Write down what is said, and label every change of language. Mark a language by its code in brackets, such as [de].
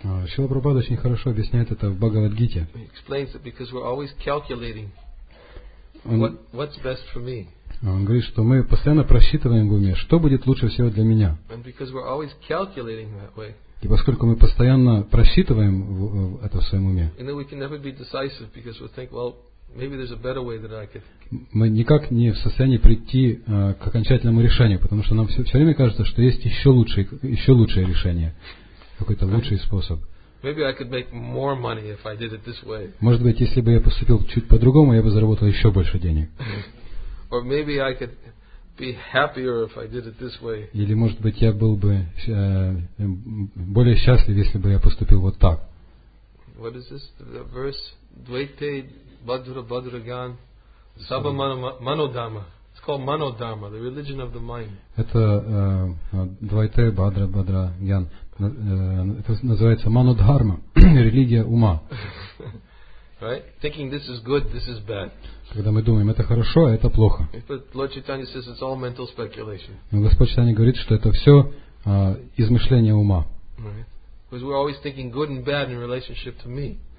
[ru] Шрила Прабхупада очень хорошо объясняет это в Бхагавад Гите. [en] He explains it because we're always calculating what's best for me. [ru] Он говорит, что мы постоянно просчитываем в уме, что будет лучше всего для меня. [en] And because we're always calculating that way. [ru] И поскольку мы постоянно просчитываем это в своем уме. [en] And then we can never be decisive because we think, well, maybe there's a better way that I could. [ru] Мы никак не в состоянии прийти к окончательному решению, потому что нам все время кажется, что есть еще лучшее решение, какой-то лучший способ. [en] Maybe I could make more money if I did it this way. [ru] Может быть, если бы я поступил чуть по-другому, я бы заработал еще больше денег. [en] Or maybe I could be happier if I did it this way. [ru] Или, может быть, я был бы более счастлив, если бы я поступил вот так. [en] What is this? The verse Dvaite Bhadra Bhadra Gan Sabha Manodhamma. It's called Manodhamma, the religion of the mind. [ru] Это Dvaite Bhadra Bhadra Gan. Это называется Манодхарма, религия ума. [en] Right? Thinking this is good, this is bad. [ru] Когда мы думаем, это хорошо, а это плохо. [en] But Lord Chaitanya says it's all mental speculation. [ru] Но Господь Чайтанья говорит, что это все измышление ума. [en] Right? Because we're always thinking good and bad in relationship to me.